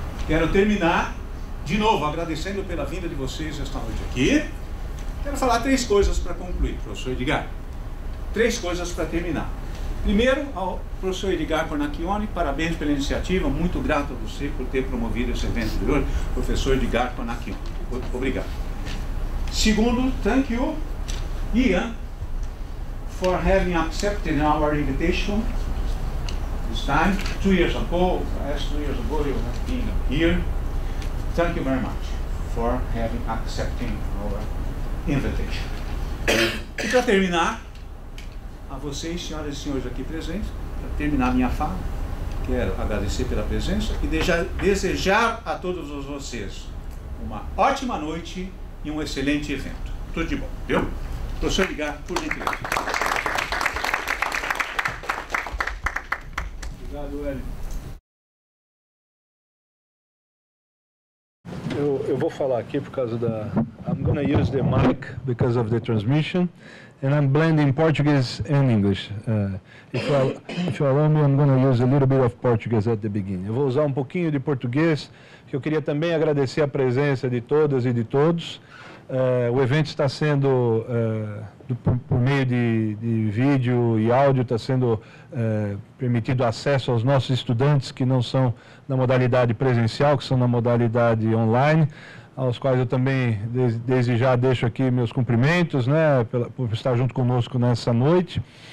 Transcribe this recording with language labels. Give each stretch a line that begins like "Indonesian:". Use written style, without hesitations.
Portuguese: Quero terminar, de novo, agradecendo pela vinda de vocês esta noite aqui. Quero falar três coisas para concluir, professor Edgar. Três coisas para terminar. Primeiro, ao professor Edgar Conacchione, parabéns pela iniciativa, muito grato a você por ter promovido esse evento de hoje, professor Edgar Conacchione. Obrigado. Segundo,
English: thank you, Ian, for having accepted our invitation this time. 2 years ago, last 2 years ago, you have been here. Thank you very much for having accepted our invitation.
Portuguese: E para terminar, a vocês, senhoras e senhores aqui presentes, para terminar minha fala, quero agradecer pela presença e desejar a todos vocês uma ótima noite e um excelente evento. Tudo de bom, viu? Professor Edgar, por gentileza. Obrigado, Hélio. Eu vou falar aqui por causa da...
English: I'm going to use the mic because of the transmission. And I'm blending Portuguese and English. If you allow me, I'm going to use a little bit of Portuguese at the beginning.
Portuguese: Eu vou usar um pouquinho de português, que eu queria também agradecer a presença de todas e de todos. O evento está sendo, por meio de vídeo e áudio, está sendo permitido acesso aos nossos estudantes que não são na modalidade presencial, que são na modalidade online, aos quais eu também, desde já, deixo aqui meus cumprimentos, né, por estar junto conosco nessa noite.